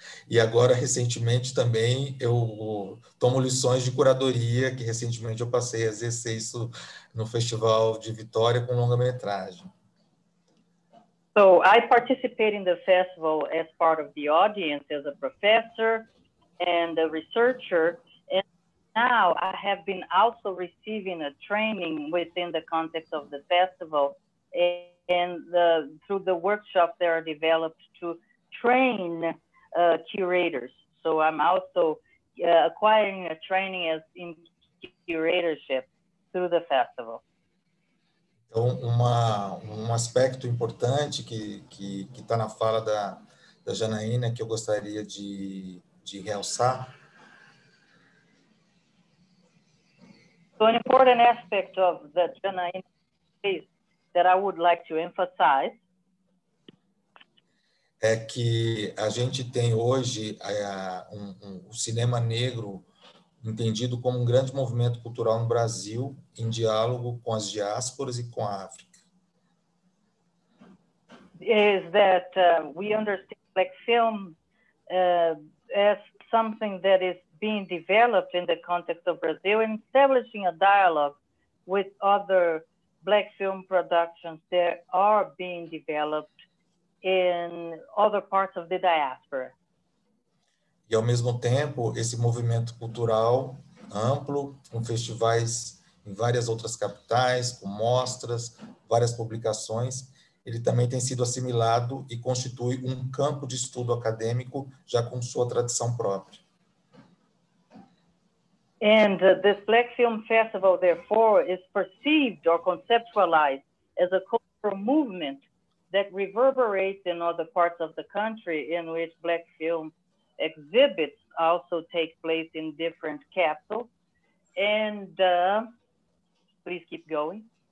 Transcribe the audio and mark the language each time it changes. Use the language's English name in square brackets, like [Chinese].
[Portuguese] E agora, recentemente, também eu tomo lições de curadoria, que recentemente eu passei a exercer isso no Festival de Vitória com longa-metragem. [English] So, I participate in the festival as part of the audience, as a professor and a researcher, and now I have been also receiving a training within the context of the festival and through the workshops that are developed to train curators. So I'm also acquiring a training as in curatorship through the festival. [Portuguese] Então, um aspecto importante que está na fala da Janaína, que eu gostaria de realçar. [English] So an important aspect of the Janaína case that I would like to emphasize. [Portuguese] É que a gente tem hoje o cinema negro entendido como um grande movimento cultural no Brasil, em diálogo com as diásporas e com a África. [English] Is that we understand like film as something that is being developed in the context of Brazil and establishing a dialogue with other black film productions that are being developed in other parts of the diaspora. [Portuguese] E, ao mesmo tempo, esse movimento cultural amplo, com festivais em várias outras capitais, com mostras, várias publicações, ele também tem sido assimilado e constitui um campo de estudo acadêmico já com sua tradição própria. [English] And this Black Film Festival, therefore, is perceived or conceptualized as a cultural movement that reverberates in other parts of the country in which Black film exhibits also take place in different capitals, and please keep going.